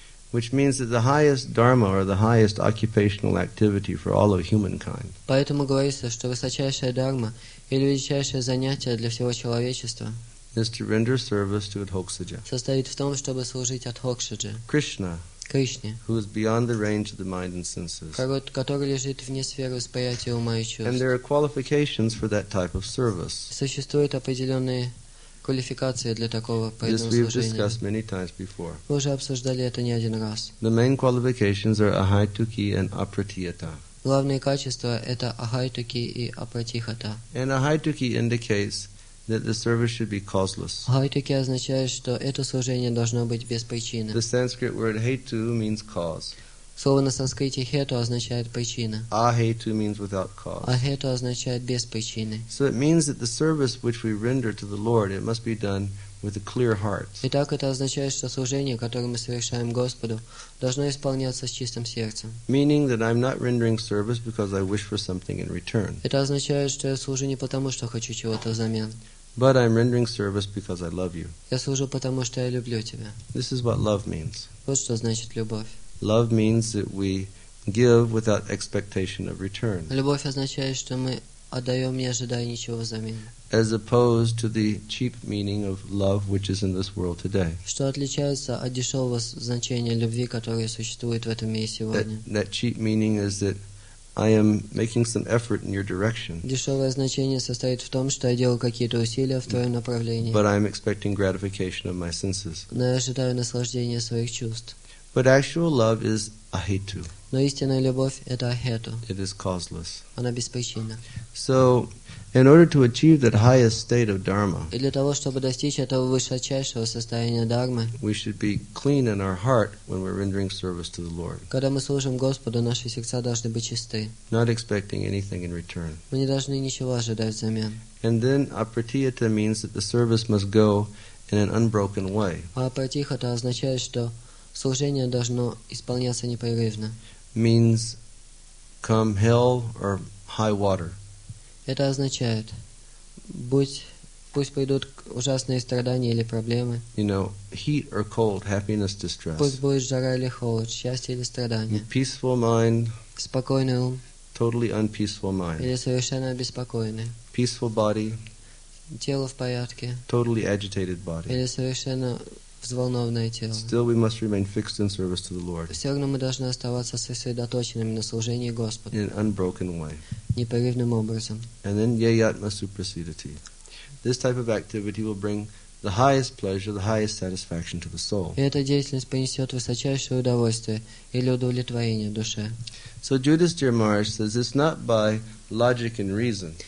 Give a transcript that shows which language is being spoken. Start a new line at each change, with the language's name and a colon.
English: Which means that the highest dharma or the highest occupational activity for all of humankind.
Russian: Поэтому говорится, что высочайшая дхарма или величайшее занятие для всего человечества.
English: Is to render service to Adhoksaja.
Russian: Состоит в том, чтобы служить Адхоксаджа.
English: Krishna.
Russian: Кришне.
English: Who is beyond the range of the mind and senses.
Russian: Который лежит вне сферы восприятия ума и чувств.
English: And there are qualifications for that type of service.
Russian: Существуют определенные квалификация для такого поэтому. Мы уже обсуждали это не один раз.
English: The main qualifications are ahaituki and apratihata.
Russian: Главные качества это ahaituki и apratihata.
English: And ahaituki indicates that the service should be causeless.
Russian: Ahaituki означает, что это служение должно быть без причины.
English: The Sanskrit word hetu means cause.
Russian: Слово на санскрите хету означает причина.
English: Ахету means without cause.
Russian: Ахету означает без причины.
English: So it means that the service which we render to the Lord, it must be done with a clear heart.
Russian: Итак, это означает, что служение, которое мы совершаем Господу, должно исполняться с чистым сердцем.
English: Meaning that I'm not rendering service because I wish for something in return.
Russian: Это означает, что я служу не потому, что хочу чего-то взамен.
English: But I'm rendering service because I love you.
Russian: Я служу потому, что я люблю тебя.
English: This is what love means.
Russian: Вот что значит любовь.
English: Love means that we give without expectation of return.
Russian: Любовь означает, что мы отдаем, не ожидая ничего взамен.
English: As opposed to the cheap meaning of love, which is in this world today.
Russian: Что отличается от дешевого значения любви, которое существует в этом мире сегодня?
English: That cheap meaning is that I am making some effort in your direction.
Russian: Дешевое значение состоит в том, что я делаю какие-то усилия в твоем направлении.
English: But I am expecting gratification of my senses.
Russian: Но я ожидаю наслаждения своих чувств.
English: But actual love is ahetu.
Russian: Но истинная любовь это ахету.
English: It is causeless.
Russian: Она беспричинна.
English: So, in order to achieve that highest state of dharma,
Russian: и для того чтобы достичь этого высочайшего состояния дхармы,
English: we should be clean in our heart when we're rendering service to the Lord.
Russian: Когда мы служим Господу, наши сердца должны быть чисты.
English: Not expecting anything in return.
Russian: Мы не должны ничего ожидать взамен.
English: And then apratihata means that the service must go in an unbroken way.
Russian: А апратихата означает, что служение должно исполняться непрерывно.
English: Means come hell or high water.
Russian: Это означает, пусть придут ужасные страдания или проблемы.
English: You know, heat or cold, happiness, distress.
Russian: Пусть будет жара или холод, счастье или страдание.
English: Peaceful mind.
Russian: Спокойный ум.
English: Totally unpeaceful mind.
Russian: Или совершенно беспокойный.
English: Peaceful body.
Russian: Тело в порядке.
English: Totally agitated body.
Russian: Или совершенно взволнованное тело.
English: Still we must remain fixed in service to the Lord.
Russian: Все равно мы должны оставаться сосредоточенными на служении Господу.
English: In an unbroken way.
Russian: Непрерывным образом.
English: And then yayatma supersedati. This type of activity will bring the highest pleasure, the highest satisfaction to the soul.
Russian: И эта деятельность принесет высочайшее удовольствие или удовлетворение душе.
English: So Yudhisthira Maharaj says it's not by logic and reason.